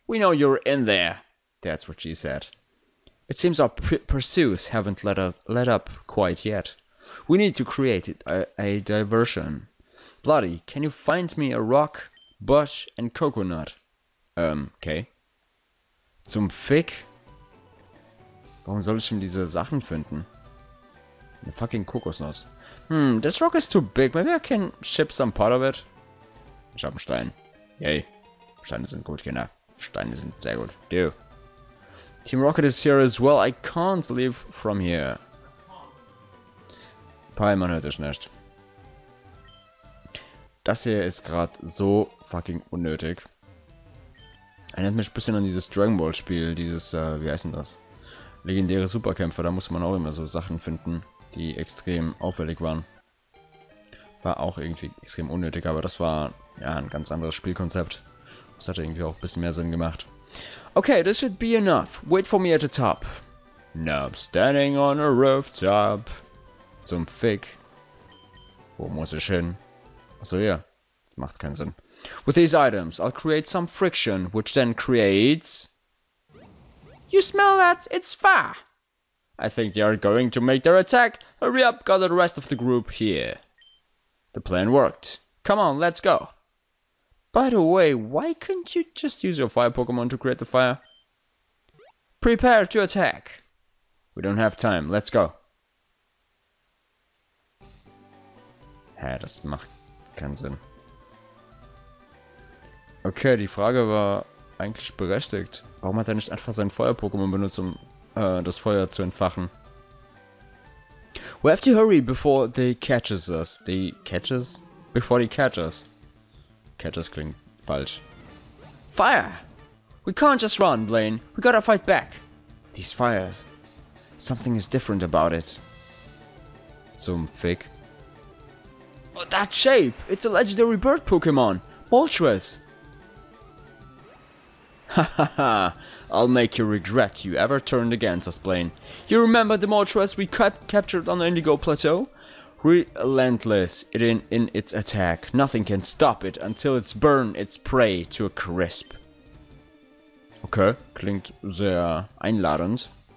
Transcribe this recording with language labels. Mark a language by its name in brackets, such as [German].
[English] We know you're in there! That's what she said. It seems our pursuits haven't let up quite yet. We need to create a diversion. Bloody, can you find me a rock, bush and coconut? [German] Okay. Zum Fick? Warum soll ich denn diese Sachen finden? Eine fucking Kokosnuss. [English] This rock is too big. Maybe I can ship some part of it. [German] Ich hab einen Stein. Yay. Steine sind gut, Kinder. Steine sind sehr gut. Dude. [English] Team Rocket is here as well. I can't leave from here. [German] Pi, man hört dich nicht. Das hier ist gerade so fucking unnötig. Erinnert mich ein bisschen an dieses Dragon Ball Spiel. Dieses, wie heißt denn das? Legendäre Superkämpfer. Da muss man auch immer so Sachen finden, die extrem auffällig waren. War auch irgendwie extrem unnötig, aber das war ja ein ganz anderes Spielkonzept. Das hat irgendwie auch ein bisschen mehr Sinn gemacht. [English] Okay, this should be enough. Wait for me at the top. Now I'm standing on a rooftop. [German] Zum Fick. Wo muss ich hin? Achso, ja. Yeah. Macht keinen Sinn. [English] With these items, I'll create some friction, which then creates... You smell that? It's fire! I think they are going to make their attack. Hurry up, gather the rest of the group here. The plan worked. Come on, let's go. By the way, why couldn't you just use your fire Pokemon to create the fire? Prepare to attack. We don't have time. Let's go. [German] Hä, das macht keinen Sinn. Okay, die Frage war eigentlich berechtigt. Warum hat er nicht einfach sein Feuer Pokemon benutzt, um das Feuer zu entfachen? [English] We have to hurry before they catches us. They catches? Before they catch us. [German] Catches klingt falsch. [English] Fire! We can't just run, Blaine. We gotta fight back. These fires. Something is different about it. [German] Zum Fick. [English] Oh, that shape! It's a legendary bird Pokemon. Moltres. Hahaha, I'll make you regret you ever turned against us, Blaine. You remember the Moltres we captured on the Indigo Plateau? Relentless in its attack. Nothing can stop it until it's burned its prey to a crisp. [German] Okay, klingt sehr einladend.